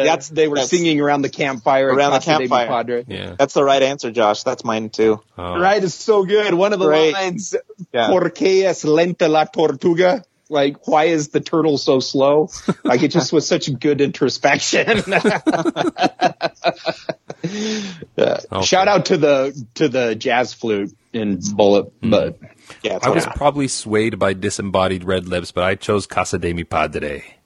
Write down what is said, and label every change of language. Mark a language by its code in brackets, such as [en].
[en] they were singing around the campfire. Around the campfire. Padre. Yeah. That's the right answer, Josh. That's mine, too. Oh. Right is so good. One of the lines, [es] ¿Por qué es lenta la tortuga? [en] Like, why is the turtle so slow? Like, it just was such good introspection. Shout out to the jazz flute in Bullet. But yeah, I was probably swayed by Disembodied Red Lips, but I chose Casa de mi Padre.